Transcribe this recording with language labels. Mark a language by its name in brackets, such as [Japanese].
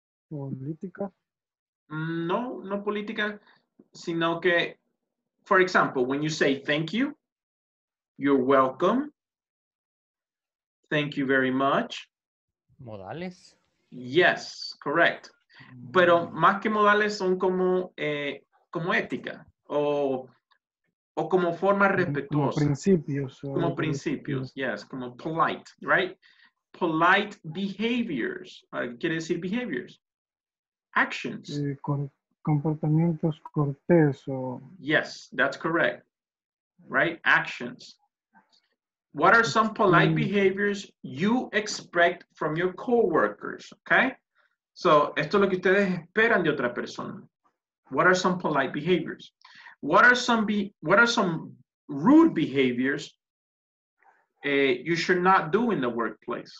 [Spanish] Política. No, no política, sino que, [English] for example, when you say thank you, you're welcome, thank you very much. [Spanish] Modales. [English] Yes, correct. [Spanish] Pero más que modales son como, como ética o como forma respetuosa. Como principios. Como principios, [English] yes, como polite, right? Polite behaviors. [Spanish] ¿Quiere decir behaviors? Actions. Comportamientos cortés o... [English] Yes, that's correct. Right? Actions. What are some polite behaviors you expect from your coworkers? Okay? [Spanish] So, esto es lo que ustedes esperan de otra persona. [English] What are some polite behaviors? What are some rude behaviors you should not do in the workplace?